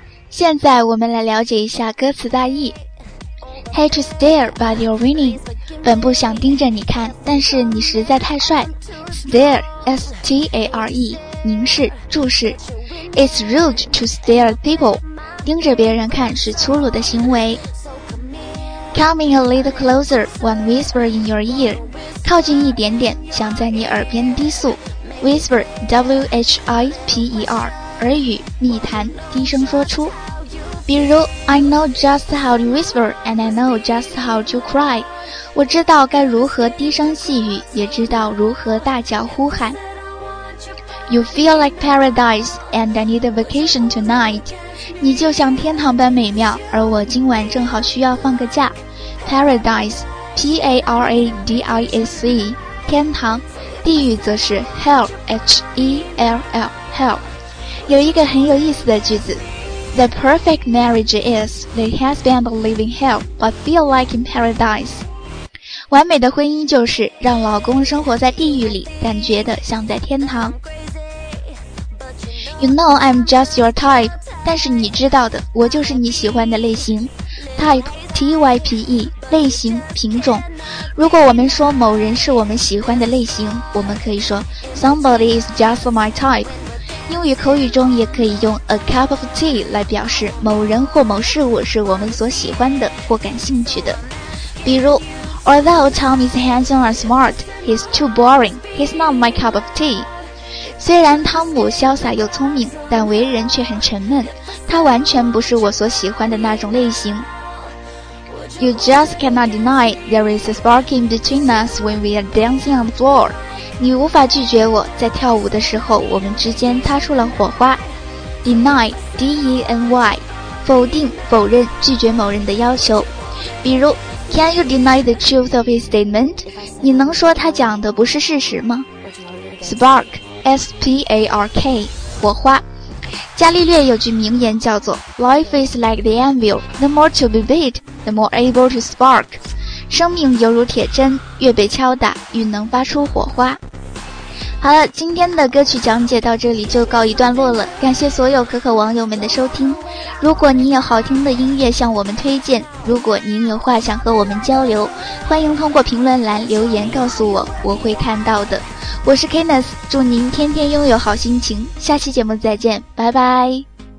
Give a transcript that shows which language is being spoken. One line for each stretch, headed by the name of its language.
Chinese: 现在我们来了解一下歌词大意。
English: Hate to stare but you're winning，
Chinese: 本不想盯着你看，但是你实在太帅。 Stare, S-T-A-R-E， 凝视注视。
English: It's rude to stare people，
Chinese: 盯着别人看是粗鲁的行为。
English: Coming a little closer, one whisper in your ear.
Chinese: 靠近一点点，想在你耳边低诉。Whisper, W-H-I-P-E-R, 耳语，密谈，低声说出。比如
English: I know just how to whisper and I know just how to cry.
Chinese: 我知道该如何低声细语，也知道如何大叫呼喊。
English: You feel like paradise and I need a vacation tonight.
Chinese: 你就像天堂般美妙，而我今晚正好需要放个假。 Paradise, P-A-R-A-D-I-S-E, 天堂，地狱则是 hell, H-E-L-L, hell. 有一个很有意思的句子。
English: The perfect marriage is, they has been living hell, but feel like in paradise.
Chinese: 完美的婚姻就是让老公生活在地狱里，但觉得像在天堂。
English: You know I'm just your type,
Chinese: 但是你知道的，我就是你喜欢的类型。 Type, T-Y-P-E, 类型、品种。如果我们说某人是我们喜欢的类型，我们可以说
English: Somebody is just my type。
Chinese: 英语口语中也可以用
English: a cup of tea
Chinese: 来表示某人或某事物是我们所喜欢的或感兴趣的。比如
English: Although Tom is handsome and smart, he's too boring, he's not my cup of tea.
Chinese: 虽然汤姆潇洒又聪明，但为人却很沉闷，他完全不是我所喜欢的那种类型。
English: You just cannot deny there is a sparking between us when we are dancing on the floor.
Chinese: 你无法拒绝我，在跳舞的时候，我们之间擦出了火花。 Deny, D-E-N-Y, 否定、否认、拒绝某人的要求。比如
English: ，Can you deny the truth of his statement?
Chinese: 你能说他讲的不是事实吗 ？Spark, S-P-A-R-K, 火花。伽利略有句名言叫做 ：
English: “Life is like the anvil. The more to be beat, the more able to spark.”
Chinese: 生命犹如铁针，越被敲打，越能发出火花。好了，今天的歌曲讲解到这里就告一段落了，感谢所有可可网友们的收听。如果您有好听的音乐向我们推荐，如果您有话想和我们交流，欢迎通过评论栏留言告诉我，我会看到的。我是 Kenneth， 祝您天天拥有好心情，下期节目再见，拜拜。